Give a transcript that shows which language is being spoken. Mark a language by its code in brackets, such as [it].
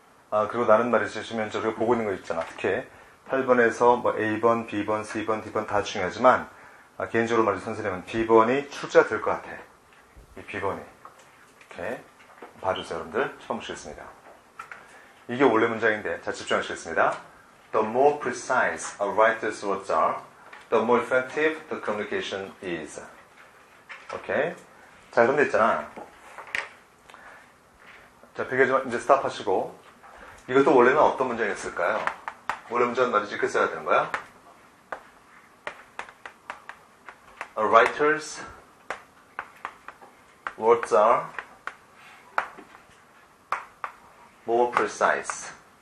[ko] 아, 그리고 나는 말이죠. 지금 저 우리가 보고 있는 거 있잖아. 특히 8번에서 뭐 A번, B번, C번, D번 다 중요하지만 아, 개인적으로 말해서 선생님은 B번이 출제가 될 것 같아. 이 B번이. 이렇게 봐주세요. 여러분들 처음 보시겠습니다. 이게 원래 문장인데 자 집중하시겠습니다. [en] The more precise a writer's words are, the more effective the communication is. [ko] 오케이. 자 그런데 있잖아. 자 비교하지만 이제 스탑하시고 이것도 원래는 어떤 문장이었을까요? 원래 문장은 말이지 그 써야 되는 거야? [en] A writer's words are more precise.